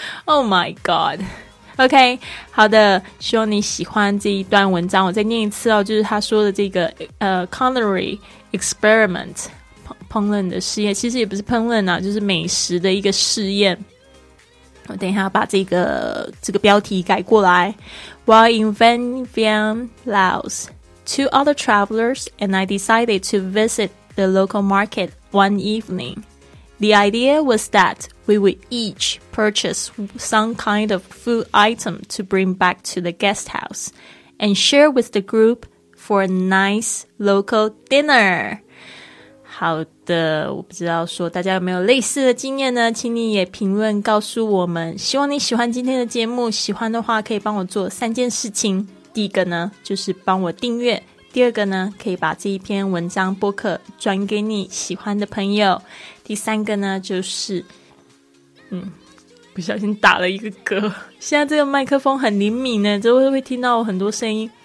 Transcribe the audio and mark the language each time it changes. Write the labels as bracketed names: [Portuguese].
[English] Oh my god OK [Chinese] 好的，希望你喜欢这一段文章，我再念一次哦，就是他说的这个culinary experiment 烹饪的试验，其实也不是烹饪啊，就是美食的一个试验。我等一下把这个标题改过来。 [English] While in Van Vien Laos, two other travelers and I decided to visit the local market one evening. The idea was that we would each purchase some kind of food item to bring back to the guest house and share with the group for a nice local dinner. [Chinese] 好的，我不知道说大家有没有类似的经验呢，请你也评论告诉我们。希望你喜欢今天的节目，喜欢的话可以帮我做三件事情，第一个呢就是帮我订阅，第二个呢可以把这一篇文章播客转给你喜欢的朋友，第三个呢就是不小心打了一个嗝，现在这个麦克风很灵敏呢，就会听到我很多声音。